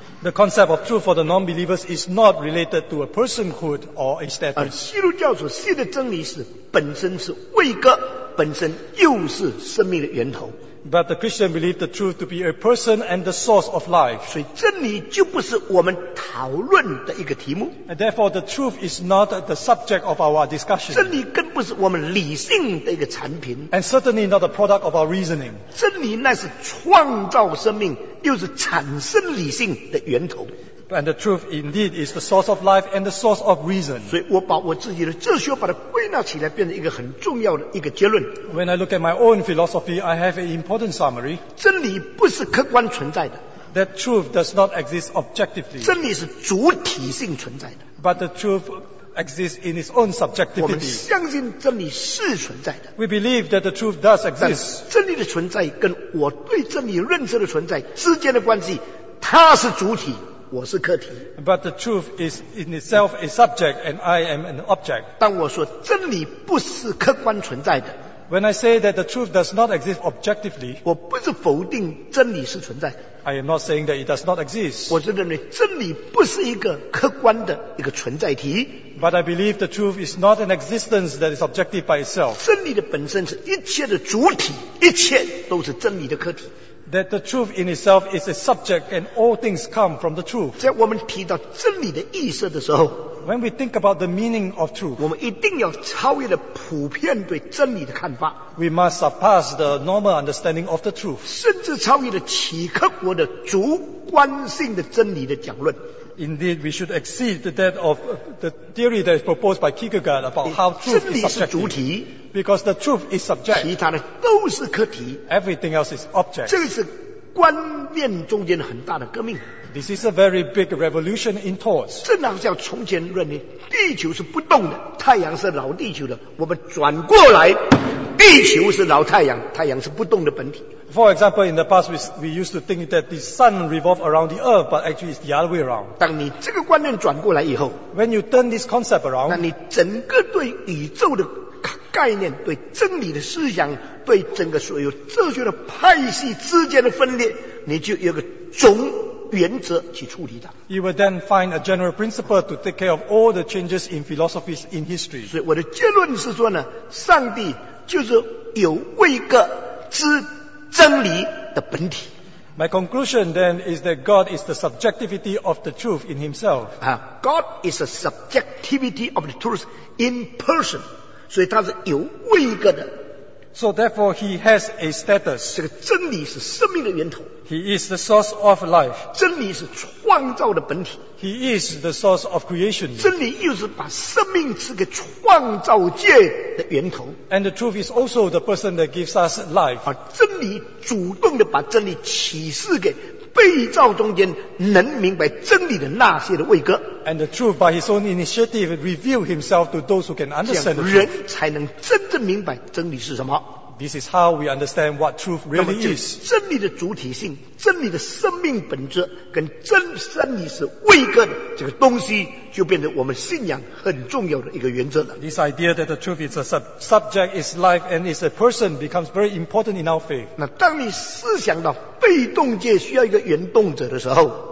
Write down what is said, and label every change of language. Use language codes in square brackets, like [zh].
[en] The concept of truth for the non-believers is not related to a personhood or a status. [zh] 而基督教所信的真理是本身是位格，本身又是生命的源头。 [en] But the Christian believe the truth to be a person and the source of life. [zh] 所以真理就不是我们讨论的一个题目。 [en] And therefore the truth is not the subject of our discussion. [zh] 真理更不是我们理性的一个产品。 [en] And certainly not a product of our reasoning. [zh] 真理那是创造生命又是产生理性的源头。 [en] And the truth indeed is the source of life and the source of reason. [zh] 所以我把我自己的哲学把它归纳起来变成一个很重要的一个结论。 [en] When I look at my own philosophy, I have an important summary. [zh] 真理不是客观存在的。 [en] That truth does not exist objectively. [zh] 真理是主体性存在的。 [en] But the truth exists in its own subjectivity. [zh] 我们相信真理是存在的。 [en] We believe that the truth does exist. [zh] 真理的存在跟我对真理认知的存在之间的关系，它是主体。我是客体。 [en] But the truth is in itself a subject and I am an object. [zh] 当我说真理不是客观存在的。 [en] When I say that the truth does not exist objectively. [zh] 我不是否定真理是存在的。 [en] I am not saying that it does not exist. [zh] 我是认为真理不是一个客观的一个存在体。 [en] But I believe the truth is not an existence that is objective by itself. [zh] 真理的本身是一切的主体，一切都是真理的客体。 [en] That the truth in itself is a subject and all things come from the truth. [zh] 在我们提到真理的意思的时候， [en] When we think about the meaning of truth, [zh] 我们一定要超越了普遍对真理的看法。 [en] We must surpass the normal understanding of the truth. [zh] 甚至超越了启克国的主观性的真理的讲论。 [en] Indeed, we should exceed that of the theory that is proposed by Kierkegaard about how truth is subjective. Because the truth is subject. [zh] 其他的都是客体。 [en] Everything else is object. [zh] 这是观念中间很大的革命。 [en] This is a very big revolution in thoughts. [zh] 正好像从前认为地球是不动的，太阳是老地球的，我们转过来，地球是老太阳，太阳是不动的本体。 [en] For example, in the past, we used to think that the sun revolved around the earth, but actually it's the other way around. [zh] 当你这个观念转过来以后， [en] When you turn this concept around, [zh] 那你整个对宇宙的概念、对真理的思想、对整个所有哲学的派系之间的分裂，你就有个总原则去处理它。 [en] You will then find a general principle to take care of all the changes in philosophies in history. [zh] 所以我的结论是说呢，上帝就是有位格之真理的本体。 [en] My conclusion then is that God is the subjectivity of the truth in himself. God is a subjectivity of the truth in person. [zh] 所以他是有位格的。 [en] So therefore he has a status. [zh] 这个真理是生命的源头。 [en] He is the source of life. [zh] 真理是创造的本体。 [en] He is the source of creation. [zh] 真理又是把生命赐给创造界的源头。 [en] And the truth is also the person that gives us life. [zh] 把真理主动的把真理启示给被造中间能明白真理的那些的位格。 [en] And the truth by his own initiative reveal himself to those who can understand the truth. [zh] 这样人才能真正明白真理是什么。 [en] This is how we understand what truth really is. [zh] 真理的主体性、真理的生命本质跟真真理是位格的这个东西，就变成我们信仰很重要的一个原则了。 [en] This idea that the truth is a subject is life and is a person becomes very important in our faith. [zh] 那当你思想到被动界需要一个原动者的时候，